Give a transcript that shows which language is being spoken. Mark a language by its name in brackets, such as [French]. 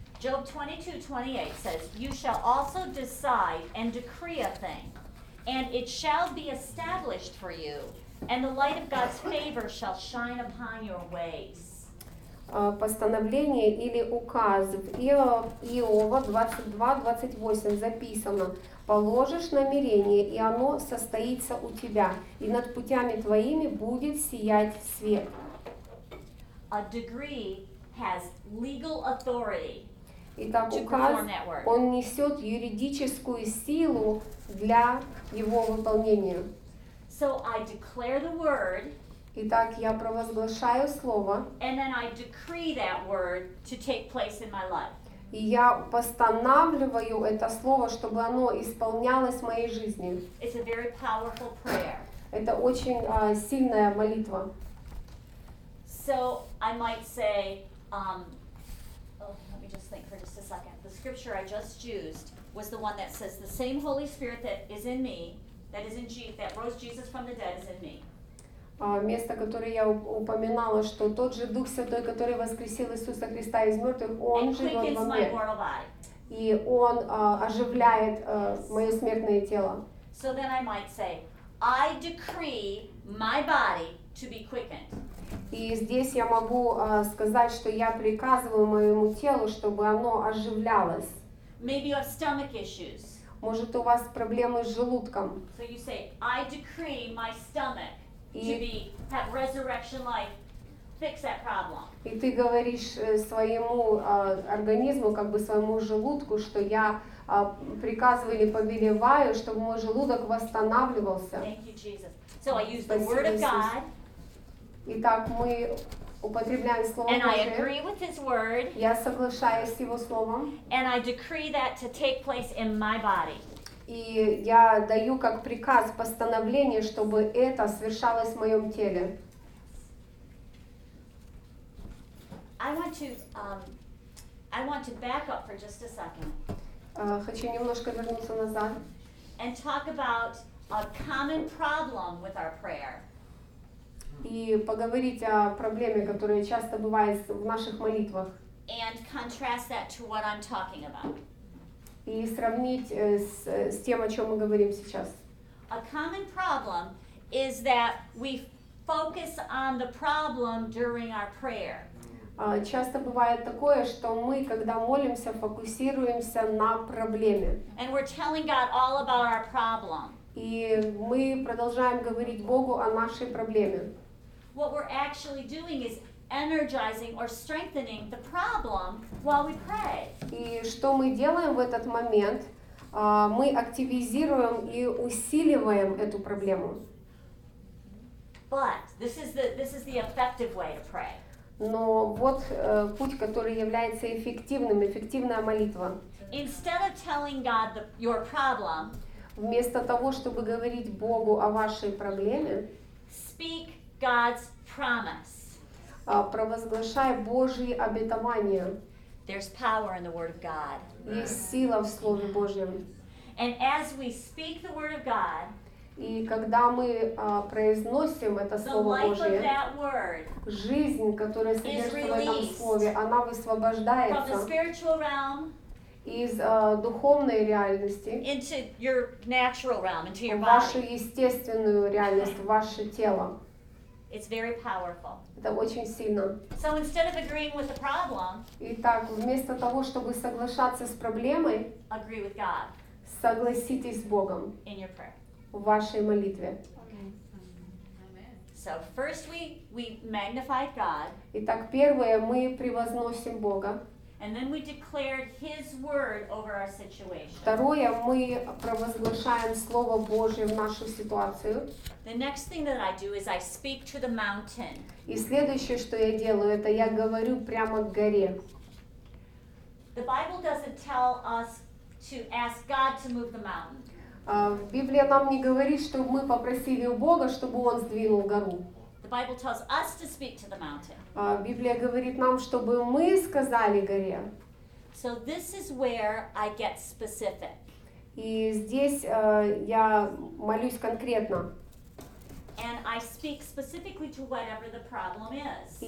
[English] Job 22:28 says, "You shall also decide and decree a thing, and it shall be established for you, and the light of God's favor shall shine upon your ways." [Russian] Постановление или указ. В Иова 22:28 записано: положишь намерение, и оно состоится у тебя, и над путями твоими будет сиять свет. [English] a degree has legal authority. [Russian] І там указ, он несет юридическую силу для его выполнения. [English] So I declare the word. [Russian] Итак, я провозглашаю слово. [English] And then I decree that word to take place in my life. [Russian] И я постанавливаю это слово, чтобы оно исполнялось в моей жизни. [English] It's a very powerful prayer. [Russian] Это очень сильная молитва. [English] So I might say, let me just think for just a second. The scripture I just used was the one that says, the same Holy Spirit that is in me, that is in Jesus, that rose Jesus from the dead is in me. [Russian] Место, которое я упоминала, что тот же Дух Святой, который воскресил Иисуса Христа из мертвых, Он живет во мне. И Он оживляет мое смертное тело. [English] So then I might say, I decree my body to be quickened. [Russian] И здесь я могу сказать, что я приказываю моему телу, чтобы оно оживлялось. [English] Maybe you have stomach issues. [Russian] Может, у вас проблемы с желудком. [English] So you say, I decree my stomach. Have resurrection life, fix that problem. [Russian] И ты говоришь своему организму, как бы своему желудку, что я приказываю или повелеваю, чтобы мой желудок восстанавливался. [English] Thank you, Jesus. So I use the word of God. [Russian] Итак, мы употребляем слово Божие. [English] And I agree with His word. [Russian] Я соглашаюсь с Его словом. [English] And I decree that to take place in my body. [Russian] И я даю как приказ, постановление, чтобы это совершалось в моем теле. [English] I want to back up for just a second. [Russian] Хочу немножко вернуться назад. [English] And talk about a common problem with our prayer. [Russian] И поговорить о проблеме, которая часто бывает в наших молитвах. [English] And contrast that to what I'm talking about. [Russian] И сравнить с тем, о чем мы говорим сейчас. [English] A common problem is that we focus on the problem during our prayer. [Russian] Часто бывает такое, что мы, когда молимся, фокусируемся на проблеме. [English] And we're telling God all about our problem. [Russian] И мы продолжаем говорить Богу о нашей проблеме. [English] What we're actually doing is energizing or strengthening the problem while we pray. [Russian] И что мы делаем в этот момент? Мы активизируем и усиливаем эту проблему. [English] But this is the effective way to pray. [Russian] Но вот путь, который является эффективным, эффективная молитва. [English] Instead of telling God your problem, [Russian] вместо того, чтобы говорить Богу о вашей проблеме, [English] speak God's promise. [Russian] Провозглашай Божьи обетования. [English] There's power in the word of God. [Russian] Есть сила в Слове Божьем. [English] And as we speak the word of God, [Russian] и когда мы произносим это Слово Божье, жизнь, которая содержится в этом Слове, она высвобождается [English] from the spiritual realm [Russian] из духовной реальности [English] into your natural realm, into your body. [Russian] В вашу естественную реальность, в ваше тело. [English] It's very powerful. [Russian] Это очень сильно. [English] So instead of agreeing with the problem, [Russian] итак, вместо того, чтобы соглашаться с проблемой, [English] agree with God. [Russian] Согласитесь с Богом. [English] In your prayer. [Russian] В вашей молитве. [English] Okay. Amen. So first we magnify God. [Russian] Итак, первое, мы превозносим Бога. [English] And then we declared His word over our situation. [Russian] Второе, мы провозглашаем Слово Божье в нашу ситуацию. [English] The next thing that I do is I speak to the mountain. [Russian] И следующее, что я делаю, это я говорю прямо к горе. [English] The Bible doesn't tell us to ask God to move the mountain. [Russian] Библия нам не говорит, что мы попросили у Бога, чтобы Он сдвинул гору. [English] The Bible tells us to speak to the mountain. [Russian] Библия говорит нам, чтобы мы сказали горе. [English] So this is where I get specific. [Russian] И здесь я молюсь конкретно. [English] And I speak specifically to whatever the problem is.